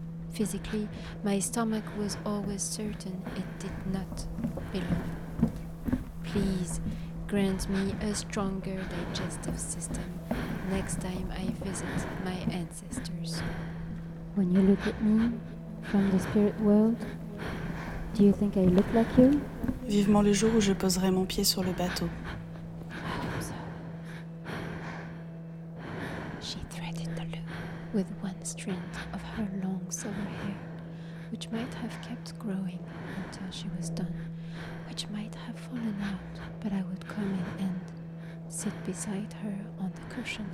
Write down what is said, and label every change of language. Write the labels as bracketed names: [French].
[English] Physically, my stomach was always certain it did not belong. Please, grant me a stronger digestive system next time I visit my ancestors. When you look at me from the spirit world, do you think I look like you? [French] Vivement le jour où je poserai mon pied sur le bateau. [English] She threaded the loop with one strand of her long silver hair, which might have kept growing until she was done, which might have fallen out, but I would come in and sit beside her on the cushion